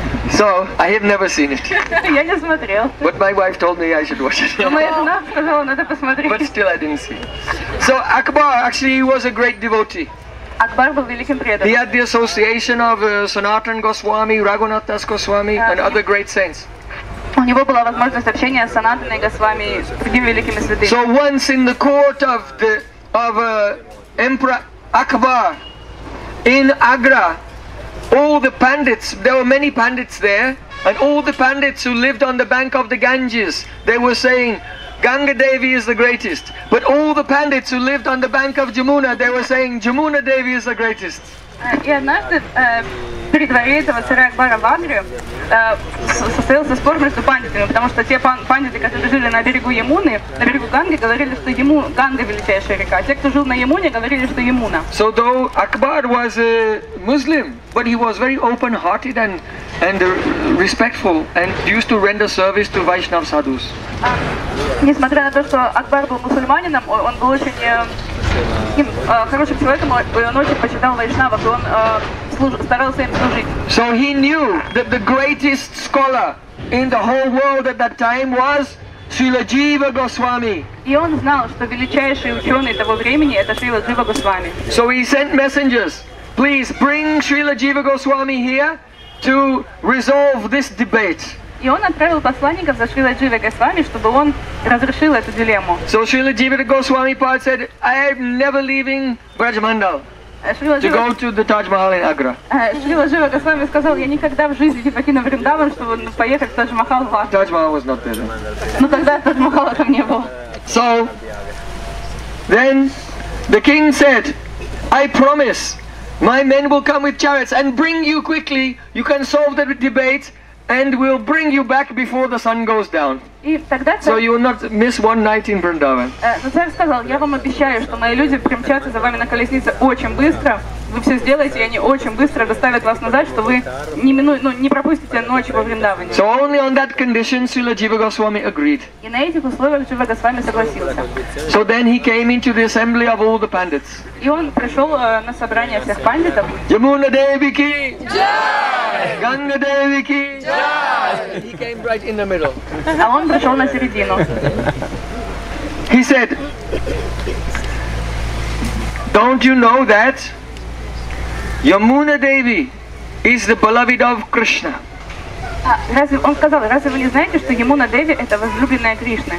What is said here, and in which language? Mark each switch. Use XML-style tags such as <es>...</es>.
<en>So, I have never seen it. But my wife told me I should watch it. But still I didn't see it. So, Akbar actually was a great devotee. He had the association of Sanatan Goswami, Raghunath Das Goswami and other great saints.</en> <ru>У него была возможность общения с Санатаной Госвами, с другими великими святыми.</ru> <en>So once in the court of the Emperor Akbar in Agra, all the pandits, there were many pandits there, and all the pandits who lived on the bank of the Ganges, they were saying, Ganga Devi is the greatest. But all the pandits who lived on the bank of Jamuna, they were saying, Jamuna Devi is the greatest.</en> <ru>И однажды при дворе этого царя Акбара в Агре состоялся спор между пандитами, потому что те пандиты, которые жили на берегу Ямуны, на берегу Ганги, говорили, что Ганга величайшая река. Те, кто жил на Ямуне, говорили, что Ямуна.</ru> <en>So though Akbar was a Muslim, but he was very open-hearted and respectful and used to render service to Vaishnav sadhus.</en> <ru>Несмотря на то, что Акбар был мусульманином, он был очень хорошим человеком, и он очень почитал вайшнавов, и он старался им служить.</ru> <en>So he knew that the greatest scholar in the whole world at that time was Srila Jiva Goswami.</en> <ru>И он знал, что величайший ученый того времени это Srila Jiva Goswami.</ru> <en>So he sent messengers, please bring Srila Jiva Goswami here to resolve this debate.</en> <ru>И он отправил посланников за Шрила Джива Госвами, чтобы он разрешил эту дилемму.</ru> <en>So Srila Jiva Goswami Pad said, I am never leaving Brajmandal to go to the Taj Mahal in Agra.</en> <ru>Шрила Джива Госвами сказал, я никогда в жизни не покину Вриндаван, чтобы поехать в Тадж Махал в Агру.</ru> <en>Тадж Махал was not there.</en> <ru>Но тогда Тадж Махала там не было.</ru> <en>So then the king said, I promise my men will come with chariots and bring you quickly. You can solve the debate. And we'll bring you back before the sun goes down. So you will not miss one night in Vrindavan.</en> <ru>Царь сказал, я вам обещаю, что мои люди примчатся за вами на колеснице очень быстро. Вы все сделаете, и они очень быстро доставят вас назад, что вы не пропустите ночь во Вриндаване.</ru> <en>So only on that condition Srila Jiva Goswami agreed.</en> <ru>И на этих условиях Jiva Goswami согласился.</ru> <en>So then he came into the assembly of all the pandits.</en> <ru>И он пришел на собрание всех пандитов.</ru> <hi>Jamuna Devi ki! Jai! Ganga Devi ki! Jai!</hi> <en>He came right in the middle.</en> <ru>А он пришел на середину.</ru> <en>He said, don't you know that Yamuna Devi is the beloved of Krishna.</en> <ru>Он сказал, разве вы не знаете, что Yamuna Devi это возлюбленная Кришны?</ru>